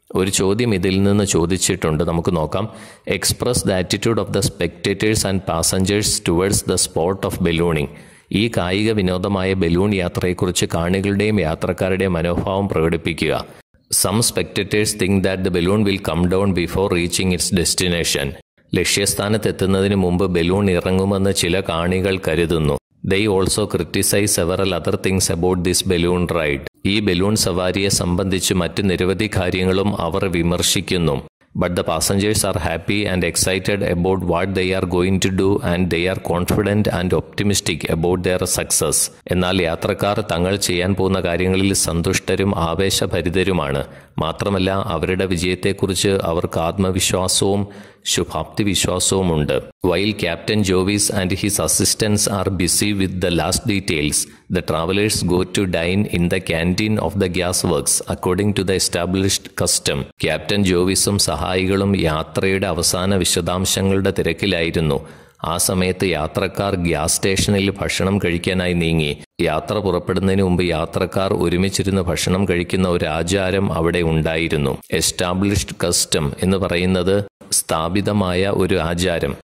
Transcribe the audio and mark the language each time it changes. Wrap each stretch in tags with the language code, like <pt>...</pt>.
<ml>ഒരു ചോദ്യം ഇതിൽ നിന്ന് ചോദിച്ചിട്ടുണ്ട്, നമുക്ക് നോക്കാം.</ml> <en>Express the attitude of the spectators and passengers towards the spot of ballooning.</en> <ml>ഈ കായിക വിനോദമായ ബലൂൺ യാത്രയെക്കുറിച്ച് കാണികളുടെയും യാത്രക്കാരുടെയും മനോഭാവം പ്രകടിപ്പിക്കുക.</ml> <en>Some spectators think that the balloon will come down before reaching its destination.</en> <ml>ലക്ഷ്യസ്ഥാനത്തെത്തുന്നതിന് മുമ്പ് ബലൂൺ ഇറങ്ങുമെന്ന് ചില കാണികൾ കരുതുന്നു.</ml> <en>They also criticize several other things about this balloon ride.</en> <ml>ഈ ബലൂൺ സവാരിയെ സംബന്ധിച്ച് മറ്റ് നിരവധി കാര്യങ്ങളും അവർ വിമർശിക്കുന്നു.</ml> <en>But the passengers are happy and excited about what they are going to do and they are confident and optimistic about their success.</en> <ml>എന്നാൽ യാത്രക്കാർ തങ്ങൾ ചെയ്യാൻ പോകുന്ന കാര്യങ്ങളിൽ സന്തുഷ്ടരും ആവേശഭരിതരുമാണ്. മാത്രമല്ല അവരുടെ വിജയത്തെക്കുറിച്ച് അവർക്ക് ആത്മവിശ്വാസവും ശുഭാപ്തി വിശ്വാസവും ഉണ്ട്.</ml> <en>While Captain Jovis and his assistants are busy with the last details, the travelers go to dine in the canteen of the gas works according to the established custom.</en> <ml>Captain Jovisum സഹായികളും യാത്രയുടെ അവസാന വിശദാംശങ്ങളുടെ തിരക്കിലായിരുന്നു. ആ സമയത്ത് യാത്രക്കാർ gas സ്റ്റേഷനിൽ ഭക്ഷണം കഴിക്കാനായി നീങ്ങി. യാത്ര പുറപ്പെടുന്നതിന് മുമ്പ് യാത്രക്കാർ ഒരുമിച്ചിരുന്ന് ഭക്ഷണം കഴിക്കുന്ന ഒരു ആചാരം അവിടെ ഉണ്ടായിരുന്നു. എസ്റ്റാബ്ലിഷ്ഡ് കസ്റ്റം എന്ന് പറയുന്നത് സ്ഥാപിതമായ ഒരു ആചാരം.</ml>